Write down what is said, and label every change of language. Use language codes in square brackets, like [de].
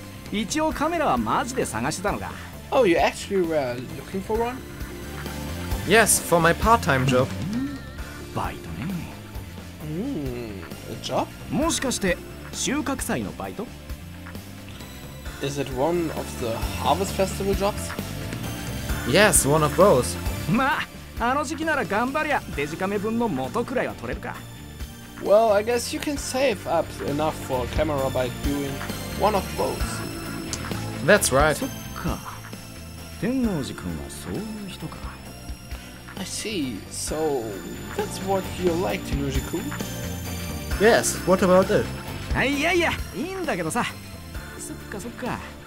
[ja] 一応カメラはマジで探してたのか。 [en] Oh, you actually were looking for one? Yes, for my part-time job. [ja] バイトね。 [en] A job? [ja] もしかして収穫祭のバイト? [en] Is it one of the harvest festival jobs? Yes, one of those. [ja] まあ、あの時期なら頑張りゃデジカメ分の元くらいは取れるか。 [en] Well, I guess you can save up enough for a camera by doing one of those. That's right. [ja] そっか。天王寺君はそういう人か。 [en] I see. So, that's what you like, Tennoji-kun? Yes, what about it? [ja] いやいや、いいんだけどさ。そっかそっか。